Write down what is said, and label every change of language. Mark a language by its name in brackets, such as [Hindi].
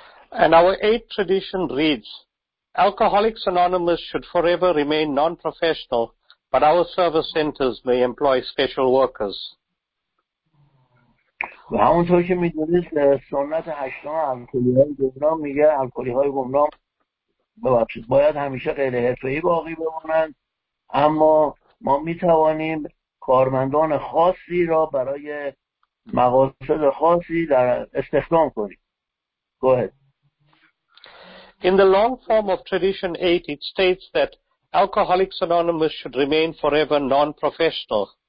[English] And our eighth tradition reads, Alcoholics Anonymous should forever remain non-professional, but our service centers may employ special workers. [Persian] و همونطور که میدونید سنت هشتم الکلی‌های گمنام میگه الکلی‌های گمنام باید همیشه غیر حرفه‌ای باقی بمانند، اما ما میتوانیم کارمندان خاصی را برای مقاصد خاصی در استخدام کنیم. [English] Go ahead. In the long form of tradition 8, it states that Alcoholics Anonymous should remain forever non-professional.